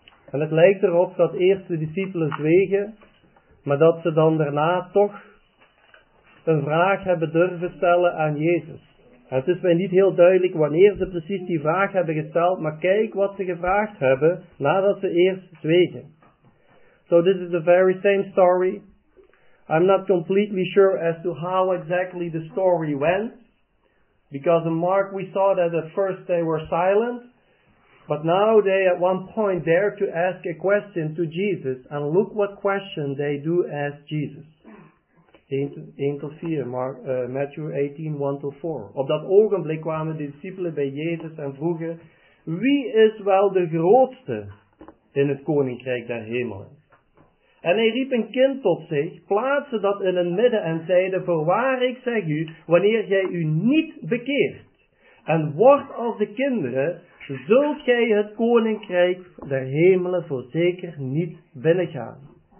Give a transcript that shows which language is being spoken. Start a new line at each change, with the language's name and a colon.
Dutch: En het lijkt erop dat eerst de discipelen zwegen, maar dat ze dan daarna toch een vraag hebben durven stellen aan Jezus. En het is mij niet heel duidelijk wanneer ze precies die vraag hebben gesteld, maar kijk wat ze gevraagd hebben nadat ze eerst zwegen.
English: So this is the very same story. I'm not completely sure as to how exactly the story went. Because in Mark we saw that at first they were silent. But now they at one point dare to ask a question to Jesus. And look what question they do ask Jesus. Matthew 18, 1-4.
Dutch: Op dat ogenblik kwamen de discipelen bij Jezus en vroegen, wie is wel de grootste in het koninkrijk der hemelen? En hij riep een kind tot zich, plaatste dat in het midden en zeide, voorwaar ik zeg u, wanneer jij u niet bekeert en wordt als de kinderen, zult gij het koninkrijk der hemelen voorzeker niet binnengaan.